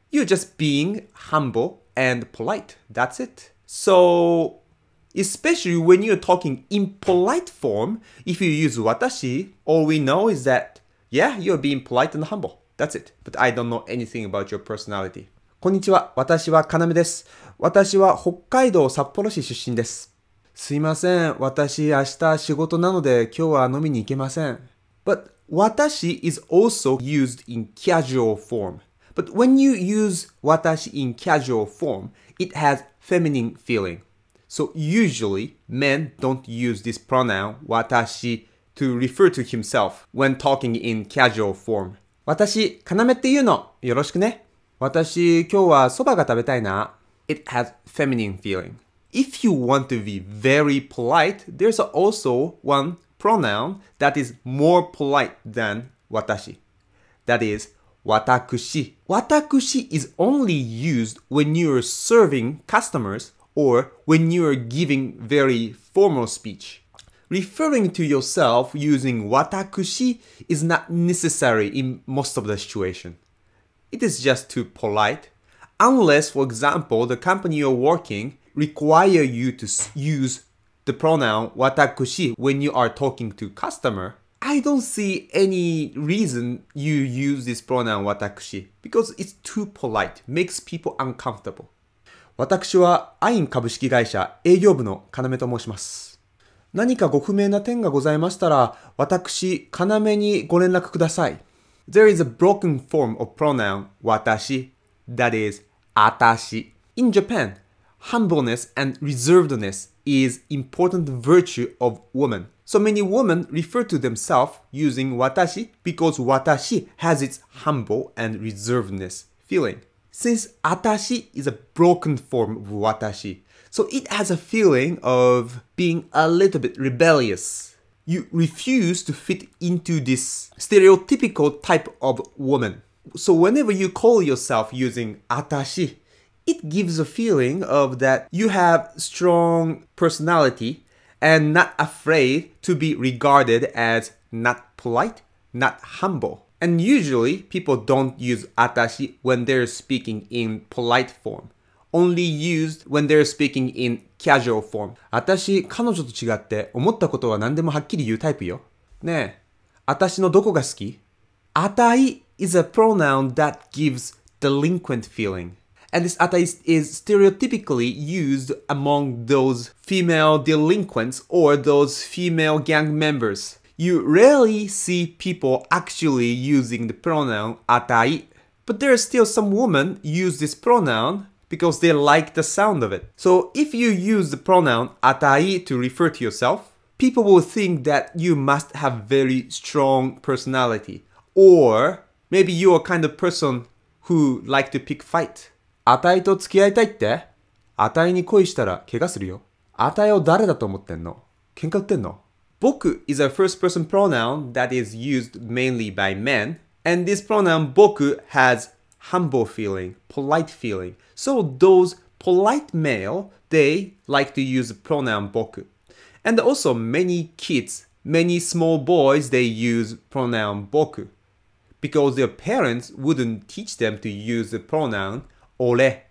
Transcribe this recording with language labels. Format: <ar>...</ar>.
<en>You're just being humble and polite. That's it. So, especially when you're talking in polite form, if you use watashi, all we know is that, yeah, you're being polite and humble. That's it. But I don't know anything about your personality.</en> <ja>こんにちは。私はカナメです。私は北海道札幌市出身です。すいません。私明日仕事なので今日は飲みに行けません。</ja> <en>But,Watashi is also used in casual form. But when you use watashi in casual form, it has feminine feeling. So usually, men don't use this pronoun, watashi, to refer to himself when talking in casual form.</en> <ja>Watashi, kaname って言うの。よろしくね。私、今日はそばが食べたいな。</ja> <en>It has feminine feeling. If you want to be very polite, there's also onepronoun that is more polite than watashi. That is watakushi. Watakushi is only used when you are serving customers or when you are giving very formal speech. Referring to yourself using watakushi is not necessary in most of the situation. It is just too polite. Unless, for example, the company you're working require you to useThe pronoun watakushi when you are talking to customer, I don't see any reason you use this pronoun watakushi because it's too polite, makes people uncomfortable.</en> <ja>私はアイン株式会社営業部のカナメと申します。何かご不明な点がございましたら、私カナメにご連絡ください。</ja> <en>There is a broken form of pronoun watashi, that is atashi. In Japan, humbleness and reservedness. Is important virtue of women. So many women refer to themselves using watashi because watashi has its humble and reservedness feeling. Since atashi is a broken form of watashi, so it has a feeling of being a little bit rebellious. You refuse to fit into this stereotypical type of woman. So whenever you call yourself using atashi,It gives a feeling of that you have strong personality and not afraid to be regarded as not polite, not humble. And usually, people don't use atashi when they're speaking in polite form. Only used when they're speaking in casual form.</en> <ja>私、彼女と違って思ったことは何でもはっきり言うタイプよ。ねえ、私のどこが好き？</ja> <en>Atai is a pronoun that gives delinquent feeling. And this atai is stereotypically used among those female delinquents or those female gang members. You rarely see people actually using the pronoun atai. But there are still some women use this pronoun because they like the sound of it. So if you use the pronoun atai to refer to yourself, people will think that you must have very strong personality. Or maybe you are kind of person who like to pick fight.</en> <ja>アタイと付き合いたいって?アタイに恋したら怪我するよ。アタイを誰だと思ってんの?喧嘩売ってんの?</ja> <en>Boku is a first person pronoun that is used mainly by men, and this pronoun boku has humble feeling, polite feeling. So those polite male, they like to use pronoun boku. And also many kids, many small boys, they use pronoun boku because their parents wouldn't teach them to use the pronoun ore.</en>